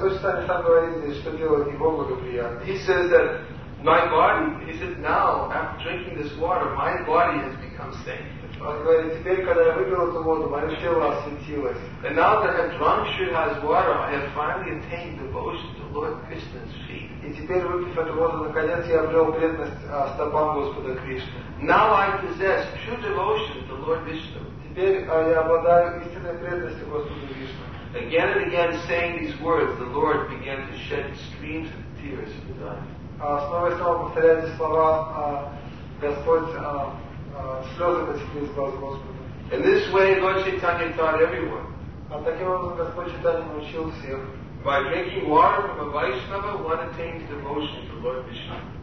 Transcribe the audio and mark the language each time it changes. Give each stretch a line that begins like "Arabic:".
English: He says that my body, he says now, after drinking this water, my body has become sane.
Russian: Он говорит, теперь, когда я выпил эту воду, мое тело осветилось.
English: And now that I've drunk Sridhar's water, I have finally attained devotion to Lord Krishna's feet.
Russian: И теперь, выпив эту воду, наконец я обрел преданность стопам Господа Кришны.
English: Now I possess true devotion to Lord Vishnu.
Russian: Теперь я обладаю истинной преданностью Господу Кришне.
English: Again and again saying these words, the Lord began to shed streams of tears in his eyes.
Russian: Снова и снова повторяя эти слова, Господь слезы потекли из глаз Господа.
English: In this way, Lord Chaitanya taught everyone.
Russian: А таким образом Господь Чайтанья научил всех.
English: By drinking water from a Vaishnava, one attains devotion to Lord Vishnu.